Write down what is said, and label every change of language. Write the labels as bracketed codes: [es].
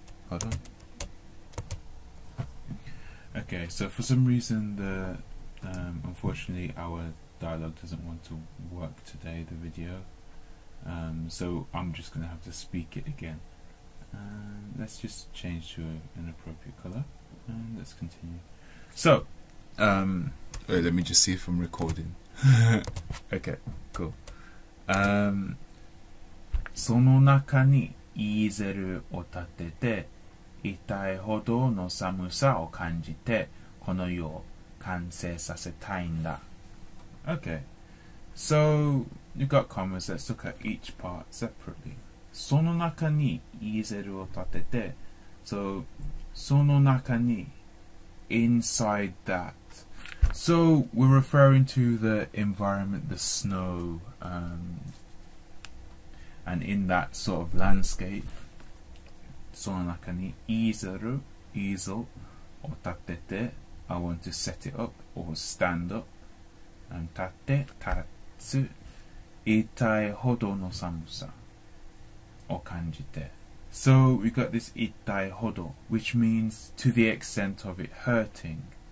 [en] Hold on. Okay, so for some reason, unfortunately, our dialogue doesn't want to work today, the video. So I'm just going to have to speak it again. Let's just change to an appropriate color and let's continue. So, wait, let me just see if I'm recording. Okay, cool. [ja] その中にイーゼルを立てて痛いほどの寒さを感じてこの世を完成させたいんだ。 [en] Okay, so You've got commas, let's look at each part separately. [ja] その中にイーゼルを立てて、 [en] so, [ja] その中に [en] inside that. So, we're referring to the environment, the snow, and in that sort of landscape. [ja] その中にイーゼル、イーゼルを立てて、 [en] I want to set it up or stand up. [ja] And 立て、立つ、痛いほどの寒さを感じて。 [en] So we got this 痛いほど, which means to the extent of it hurting.